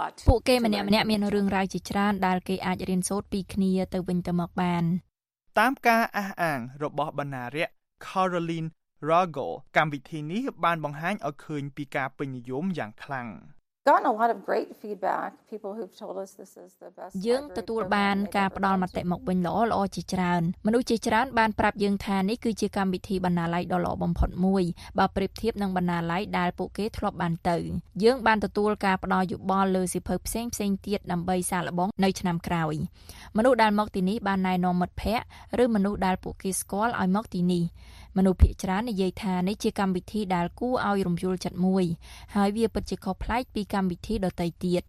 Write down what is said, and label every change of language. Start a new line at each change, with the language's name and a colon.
Khmer: ពួកគេម្នាក់ៗមានរឿងរ៉ាវជាច្រើនដែលគេអាចរៀនសូត្រពីគ្នាទៅវិញទៅមកបាន តាមការអះអាងរបស់បណ្ណារក្ស Caroline Rago កម្មវិធីនេះបានបង្ហាញឲ្យឃើញពីការពេញនិយមយ៉ាងខ្លាំង
English: gotten a lot of great feedback, people who've told us this is the best.
Khmer: យើងទទួលបានការផ្ដល់មតិមកវិញល្អល្អជាច្រើនមនុស្សជាច្រើនបានប្រាប់យើងថានេះគឺជាកម្មវិធីបណ្ណាល័យដ៏ល្អបំផុតមួយបើប្រៀបធៀបនឹងបណ្ណាល័យដែលពួកគេធ្លាប់បានទៅយើងបានទទួលការផ្ដល់យោបល់លើសិភើផ្សេងផ្សេងទៀតដើម្បីសាកល្បងនៅឆ្នាំក្រោយមនុស្សដែលមកទីនេះបានណែនាំមិត្តភ័ក្តិឬមនុស្សដែលពួកគេស្គាល់ឲ្យមកទីនេះមនុស្សភាគច្រើននិយាយថានេះជាកម្មវិធីដែលគួរឲ្យរំជួលចិត្តមួយហើយវាពិតជាខុសប្លែកពីកម្មវិធីដទៃទៀត